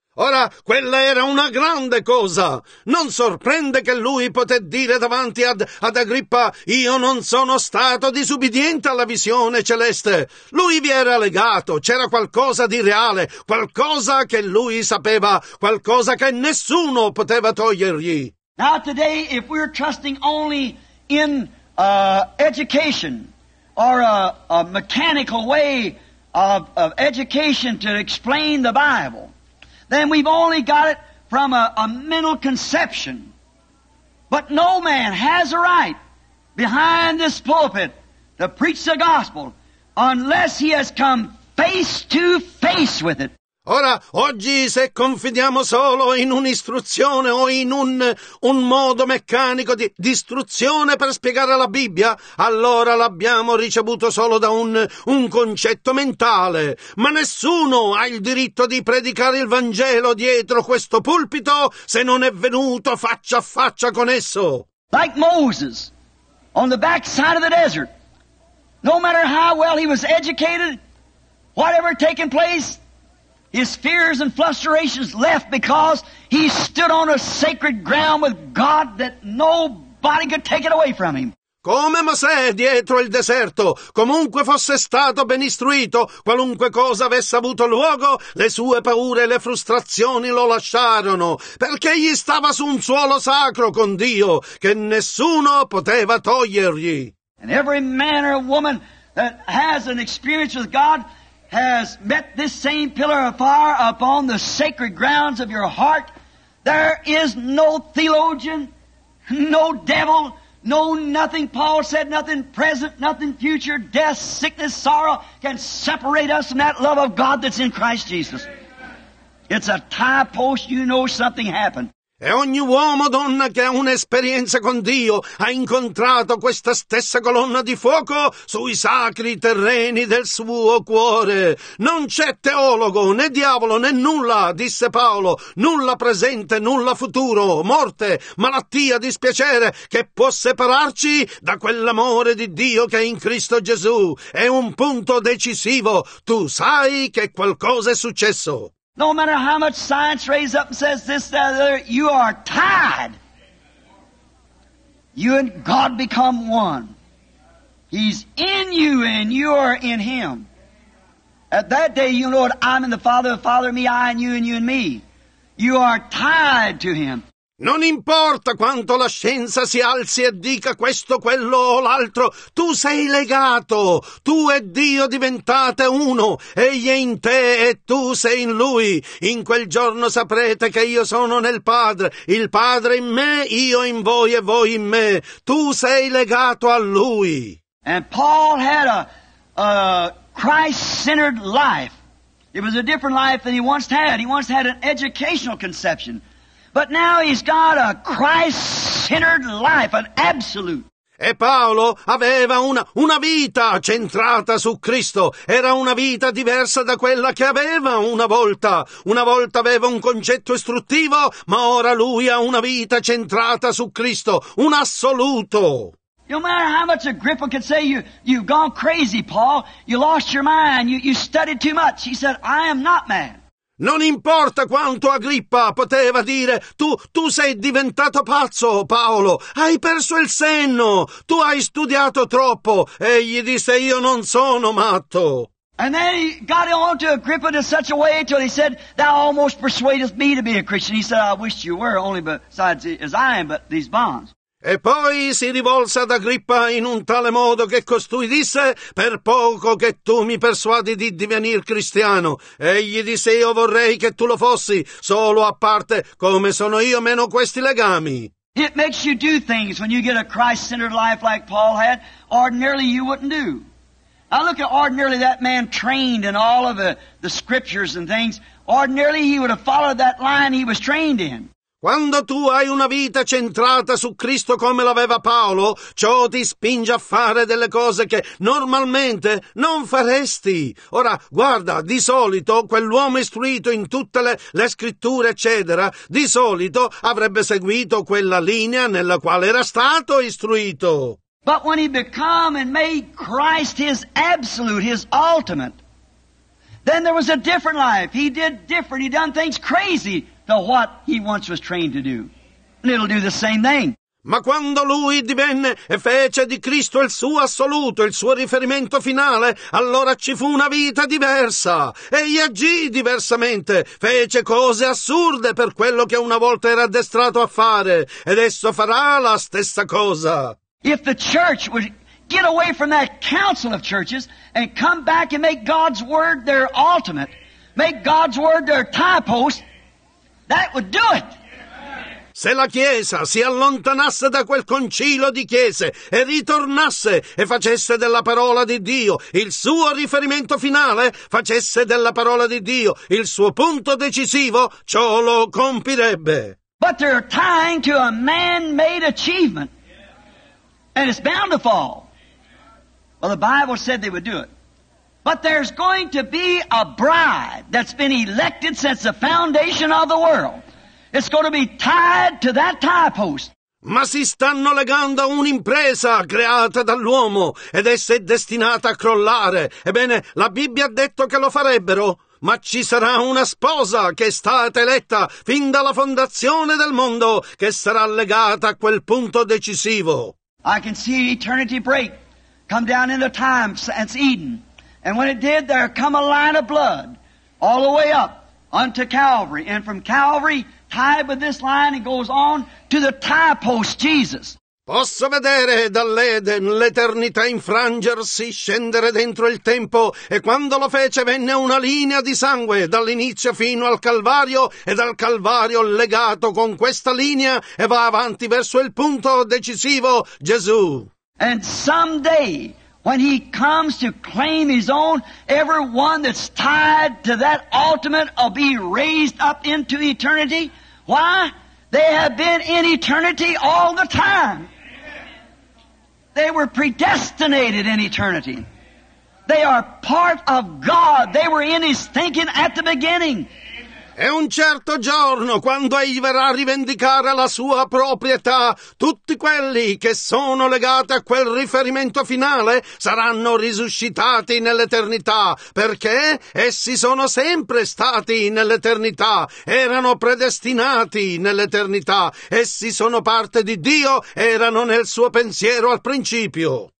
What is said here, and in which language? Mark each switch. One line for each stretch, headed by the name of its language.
Italian: Ora, quella era una grande cosa. Non sorprende che lui poté dire davanti ad Agrippa, io non sono stato disubbidiente alla visione celeste. Lui vi era legato, c'era qualcosa di reale, qualcosa che lui sapeva, qualcosa che nessuno poteva togliergli.
English: Now today, if we're trusting only in education or a mechanical way of education to explain the Bible, then we've only got it from a mental conception. But no man has a right behind this pulpit to preach the gospel unless he has come face to face with it.
Italian: Ora, oggi se confidiamo solo in un'istruzione o in un modo meccanico di istruzione per spiegare la Bibbia, allora l'abbiamo ricevuto solo da un concetto mentale. Ma nessuno ha il diritto di predicare il Vangelo dietro questo pulpito se non è venuto faccia a faccia con esso.
English: Like Moses, on the back side of the desert, no matter how well he was educated, whatever taken place, his fears and frustrations left because he stood on a sacred ground with God that nobody could take it away from him.
Italian: Come Mosè dietro il deserto, comunque fosse stato ben istruito, qualunque cosa avesse avuto luogo, le sue paure e le frustrazioni lo lasciarono, perché egli stava su un suolo sacro con Dio, che nessuno poteva togliergli.
English: And every man or woman that has an experience with God has met this same pillar of fire upon the sacred grounds of your heart, there is no theologian, no devil, no nothing, Paul said, nothing present, nothing future, death, sickness, sorrow can separate us from that love of God that's in Christ Jesus. It's a tie post, you know something happened.
Italian: E ogni uomo o donna che ha un'esperienza con Dio ha incontrato questa stessa colonna di fuoco sui sacri terreni del suo cuore. Non c'è teologo, né diavolo, né nulla, disse Paolo, nulla presente, nulla futuro, morte, malattia, dispiacere, che può separarci da quell'amore di Dio che è in Cristo Gesù. È un punto decisivo. Tu sai che qualcosa è successo.
English: No matter how much science raises up and says this, that, or the other, you are tied. You and God become one. He's in you and you are in Him. At that day, you know it, I'm in the Father, the Father, me, I, and you in me. You are tied to Him.
Italian: Non importa quanto la scienza si alzi e dica questo, quello o l'altro, tu sei legato, tu e Dio diventate uno, egli è in te e tu sei in lui. In quel giorno saprete che io sono nel Padre, il Padre in me, io in voi e voi in me. Tu sei legato a lui.
English: And Paul had a Christ-centered life. It was a different life than he once had. He once had an educational conception. But now he's got a Christ-centered life, an absolute.
Italian: E Paolo aveva una vita centrata su Cristo. Era una vita diversa da quella che aveva una volta. Una volta aveva un concetto istruttivo, ma ora lui ha una vita centrata su Cristo, un assoluto.
English: No matter how much Agrippa could say, you've gone crazy, Paul. You lost your mind. You studied too much. He said, I am not mad.
Italian: Non importa quanto Agrippa poteva dire, tu sei diventato pazzo, Paolo, hai perso il senno, tu hai studiato troppo, e gli disse, io non sono matto.
English: And then he got on to Agrippa in such a way till he said, thou almost persuadest me to be a Christian. He said, I wish you were, only besides as I am, but these bonds.
Italian: E poi si rivolse ad Agrippa in un tale modo che costui disse, per poco che tu mi persuadi di divenir cristiano. Egli disse, io vorrei che tu lo fossi, solo a parte come sono io meno questi legami.
English: It makes you do things when you get a Christ-centered life like Paul had, ordinarily you wouldn't do. I look at ordinarily that man trained in all of the scriptures and things, ordinarily he would have followed that line he was trained in.
Italian: Quando tu hai una vita centrata su Cristo come l'aveva Paolo, ciò ti spinge a fare delle cose che normalmente non faresti. Ora, guarda, di solito quell'uomo istruito in tutte le scritture, eccetera, di solito avrebbe seguito quella linea nella quale era stato istruito.
English: But when he became and made Christ his absolute, his ultimate, then there was a different life. He did different. He done things crazy to what he once was trained to do. And it'll do the same thing.
Italian: Ma quando lui divenne e fece di Cristo il suo assoluto, il suo riferimento finale, allora ci fu una vita diversa. Egli agì diversamente, fece cose assurde per quello che una volta era addestrato a fare, ed esso farà la stessa cosa.
English: If the church would get away from that council of churches and come back and make God's word their ultimate, make God's word their tie post, that would do it.
Italian: Se la Chiesa si allontanasse da quel concilio di chiese e ritornasse e facesse della parola di Dio il suo riferimento finale, facesse della parola di Dio il suo punto decisivo, ciò lo compirebbe.
English: But they're tying to a man-made achievement, and it's bound to fall. Well, the Bible said they would do it. But there's going to be a bride that's been elected since the foundation of the world. It's going to be tied to that tie post.
Italian: Ma si stanno legando a un'impresa creata dall'uomo ed essa è destinata a crollare. Ebbene, la Bibbia ha detto che lo farebbero. Ma ci sarà una sposa che è stata eletta fin dalla fondazione del mondo che sarà legata a quel punto decisivo.
English: I can see eternity break, come down in the times, it's Eden. And when it did, there come a line of blood all the way up unto Calvary. And from Calvary, tied with this line, it goes on to the tie post, Jesus.
Italian: Posso vedere dall'Eden l'eternità infrangersi, scendere dentro il tempo, e quando lo fece venne una linea di sangue dall'inizio fino al Calvario, e dal Calvario legato con questa linea e va avanti verso il punto decisivo, Gesù.
English: And someday, when he comes to claim his own, everyone that's tied to that ultimate will be raised up into eternity. Why? They have been in eternity all the time. They were predestinated in eternity. They are part of God. They were in his thinking at the beginning.
Italian: E un certo giorno, quando egli verrà a rivendicare la sua proprietà, tutti quelli che sono legati a quel riferimento finale saranno risuscitati nell'eternità, perché essi sono sempre stati nell'eternità, erano predestinati nell'eternità, essi sono parte di Dio, erano nel suo pensiero al principio.